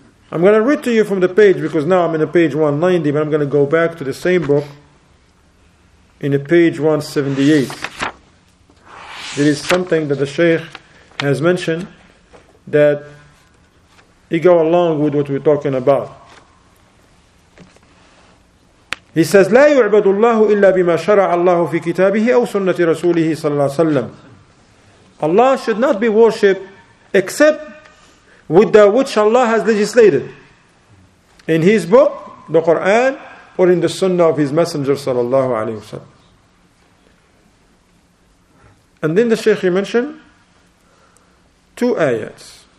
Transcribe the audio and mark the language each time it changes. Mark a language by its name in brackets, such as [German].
[English] I'm going to read to you from the page, because now I'm in the page 190, but I'm going to go back to the same book in the page 178. There is something that the Shaykh has mentioned that he go along with what we're talking about. He says, [Arabic] لا يعبد الله إلا بما شرع الله في كتابه أو سنة رسوله صلى الله عليه وسلم. [English] Allah should not be worshipped except with that which Allah has legislated in His book, the Quran, or in the Sunnah of His Messenger [Arabic] صلى الله عليه وسلم. [English] And then the Shaykh mentioned two ayats.